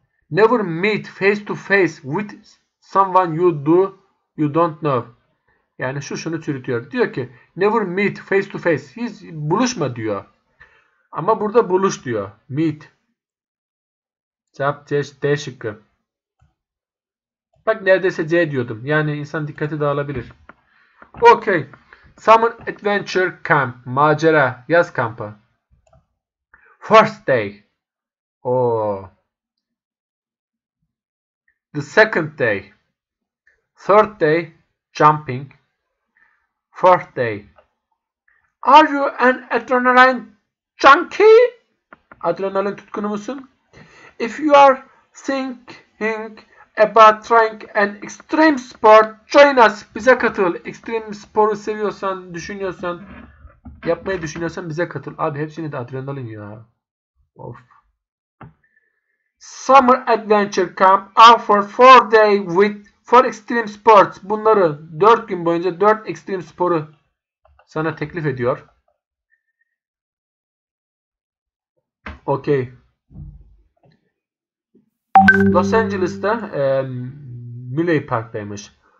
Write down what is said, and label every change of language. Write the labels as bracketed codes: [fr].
[en] Never meet face to face with someone you don't know. [tr] Yani şunu çürütüyor. Diyor ki [en] never meet face to face. [tr] Hiç buluşma diyor. Ama burada buluş diyor. Meet. Cevap C şıkkı. Bak neredeyse C diyordum. Yani insan dikkati dağılabilir. Okay. Summer Adventure Camp. Macera. Yaz kampı. [en] First day. [tr] Oh. [en] The second day. Third day. Jumping. Fourth day. Are you an adrenaline junkie? [tr] Adrenalin tutkunu musun? [en] If you are thinking about trying an extreme sport, join us. [tr] Bize katıl. Extreme sporu seviyorsan, düşünüyorsan, yapmayı düşünüyorsan bize katıl. Abi hepsini de adrenalin ya. Of. [en] Summer Adventure Camp offer 4 day with 4 extreme sports. [tr] Bunları 4 gün boyunca 4 extreme sporu sana teklif ediyor. Okey. Los Angeles'te Miley Park'taymış.